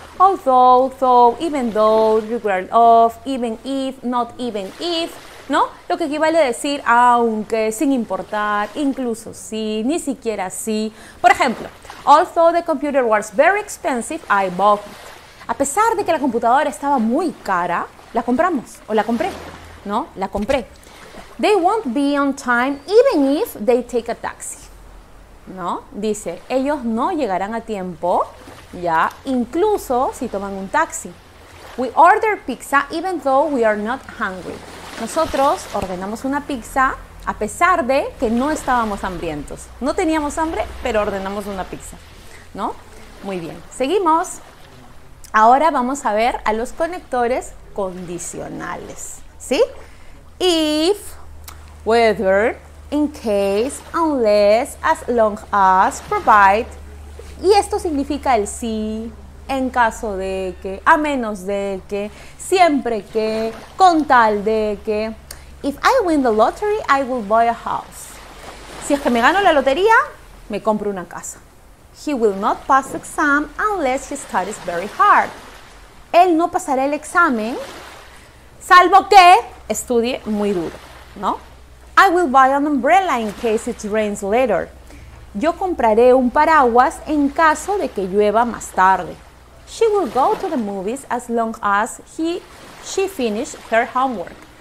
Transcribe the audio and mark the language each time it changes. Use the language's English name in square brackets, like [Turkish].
[English] Although, though, even though, regardless of, even if, not even if, ¿no? [Spanish] Lo que equivale a decir aunque, sin importar, incluso si, ni siquiera si. Por ejemplo, [English] although the computer was very expensive, I bought it. [Spanish] A pesar de que la computadora estaba muy cara, la compramos o la compré, ¿no? La compré. [English] They won't be on time even if they take a taxi. [Spanish] ¿No? Dice, ellos no llegarán a tiempo, ya, incluso si toman un taxi. [English] We order pizza even though we are not hungry. [Spanish] Nosotros ordenamos una pizza a pesar de que no estábamos hambrientos. No teníamos hambre, pero ordenamos una pizza. ¿No? Muy bien. Seguimos. Ahora vamos a ver a los conectores condicionales. ¿Sí? If, [English] whether, in case, unless, as long as, provide. [Spanish] Y esto significa el sí, en caso de que, a menos de que, siempre que, con tal de que. [English] If I win the lottery, I will buy a house. [Spanish] Si es que me gano la lotería, me compro una casa. [English] He will not pass the exam unless he studies very hard. [Spanish] Él no pasará el examen, salvo que estudie muy duro, ¿no? [English] I will buy an umbrella in case it rains later. [Spanish] Yo compraré un paraguas en caso de que llueva más tarde. [English] She will go to the movies as long as she finishes her homework.